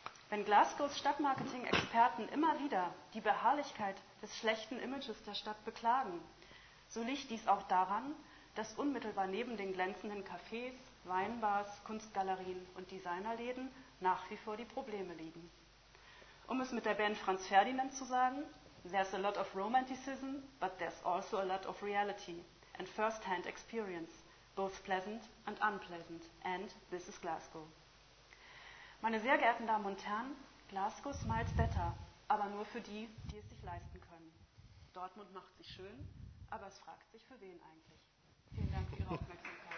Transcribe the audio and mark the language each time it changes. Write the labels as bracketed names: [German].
[German] Wenn Glasgows Stadtmarketing-Experten immer wieder die Beharrlichkeit des schlechten Images der Stadt beklagen, so liegt dies auch daran, dass unmittelbar neben den glänzenden Cafés, Weinbars, Kunstgalerien und Designerläden nach wie vor die Probleme liegen. Um es mit der Band Franz Ferdinand zu sagen, [English] There's a lot of romanticism, but there's also a lot of reality and first-hand experience, both pleasant and unpleasant. And this is Glasgow. [German] Meine sehr geehrten Damen und Herren, Glasgow smiles better, aber nur für die, die es sich leisten können. Dortmund macht sich schön, aber es fragt sich, für wen eigentlich. Vielen Dank für Ihre Aufmerksamkeit.